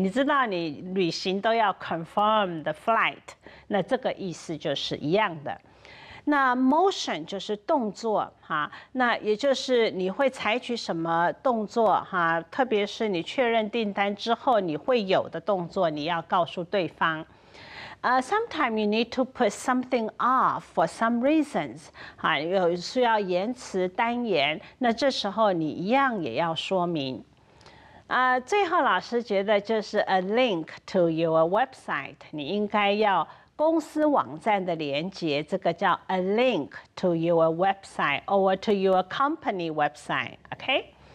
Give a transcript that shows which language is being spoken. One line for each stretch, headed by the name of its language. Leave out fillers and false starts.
Chinese: 你知道你旅行都要
English: confirm the flight，
Chinese: 那这个意思就是一样的。那 motion 就是动作哈，那也就是你会采取什么动作哈，特别是你确认订单之后你会有的动作，你要告诉对方。
English: Sometimes you need to put something off for some reasons.
Chinese: 有需要延迟单延，那这时候你一样也要说明。最后老师觉得就是
English: a link to your website.
Chinese: 你应该要公司网站的连接，这个叫
English: a link to your website or to your company website. Okay?